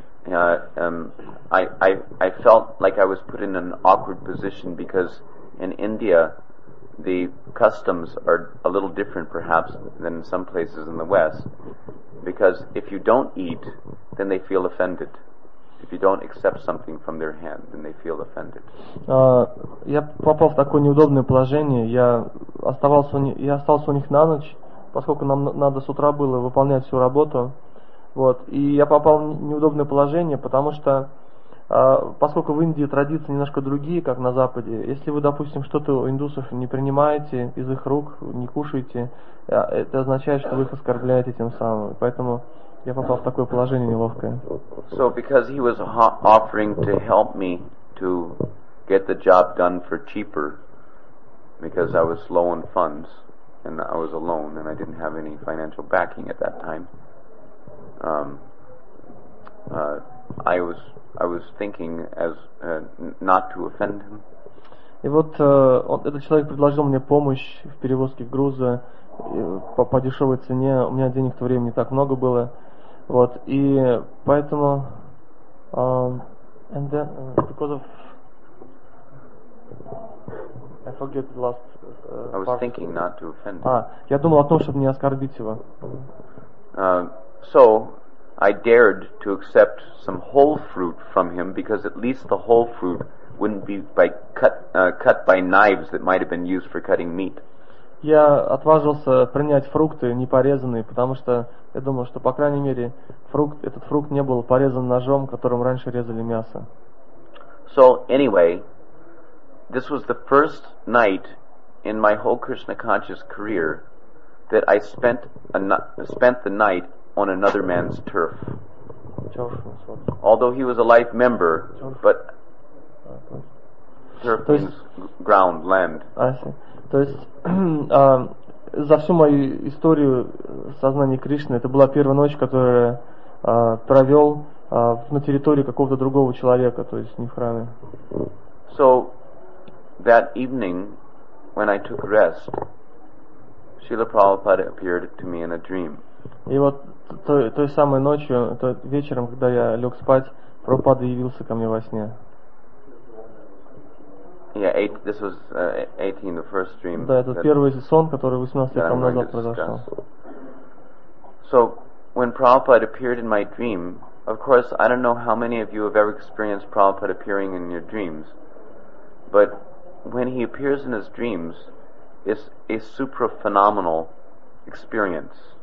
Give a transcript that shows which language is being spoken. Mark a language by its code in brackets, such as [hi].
[en] I felt like I was put in an awkward position because in India the customs are a little different perhaps than in some places in the West, because if you don't eat then they feel offended. If you don't accept something from their hand, then they feel offended. [ru] Я попал в такое неудобное положение. Я остался у них на ночь, поскольку нам надо с утра было выполнять всю работу. Вот. И я попал в неудобное положение, потому что, поскольку в Индии традиции немножко другие, как на Западе, если вы, допустим, что-то у индусов не принимаете из их рук, не кушаете, это означает, что вы их оскорбляете тем самым. Поэтому я попал в такое положение неловкое. [en] So because he was offering to help me to get the job done for cheaper, because I was low on funds and I was alone and I didn't have any financial backing at that time. I was thinking as not to offend him. [ru] И вот этот человек предложил мне помощь в перевозке груза по дешевой цене. У меня денег в то время не так много было. Вот, и поэтому я думал о том, чтобы не оскорбить его. [en] So I dared to accept some whole fruit from him, because at least the whole fruit wouldn't be cut by knives that might have been used for cutting meat. [ru] Я отважился принять фрукты непорезанные, потому что я думал, что по крайней мере этот фрукт не был порезан ножом, которым раньше резали мясо. [en] So anyway, this was the first night in my whole Krishna conscious career that I spent the night on another man's turf. Although he was a life member, but turf means ground, land. [ru] То есть за всю мою историю сознания Кришны это была первая ночь, которую я провел на территории какого-то другого человека, то есть не в храме. [en] So that evening, when I took rest, Srila Prabhupada appeared to me in a dream. [ru] И вот той самой ночью, вечером, когда я лег спать, Прабхупада явился ко мне во сне. [en] Yeah, this was 18, the first dream. [ru] Да, это первый сон, который 18 лет тому назад произошел. [en] So, when Prabhupada appeared in my dream, of course, I don't know how many of you have ever experienced Prabhupada appearing in your dreams, but when he appears in his dreams, it's a supra-phenomenal experience.